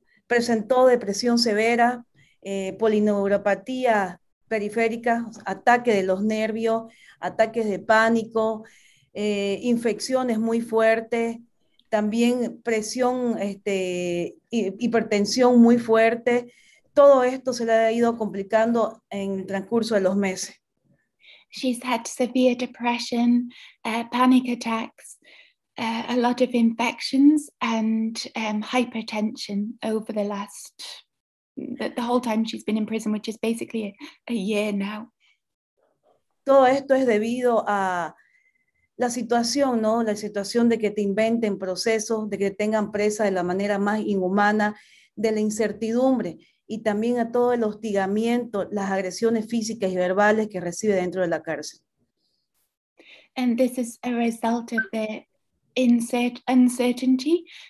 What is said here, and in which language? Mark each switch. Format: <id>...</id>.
<es>Presentó depresión severa, polineuropatía periférica, ataque de los nervios, ataques de pánico, infecciones muy fuertes, también presión, hipertensión muy fuerte. Todo esto se le ha ido complicando en el transcurso de los meses.</es> <en>She's had severe depression, panic attacks, a lot of infections and hypertension over the whole time she's been in prison, which is basically a year now.</en> <es>Todo esto es debido a la situación, ¿no? La situación de que te inventen procesos, de que tengan presa de la manera más inhumana, de la incertidumbre, y también a todo el hostigamiento, las agresiones físicas y verbales que recibe dentro de la cárcel.</es> <en>And this is a result of the uncertainty.</en>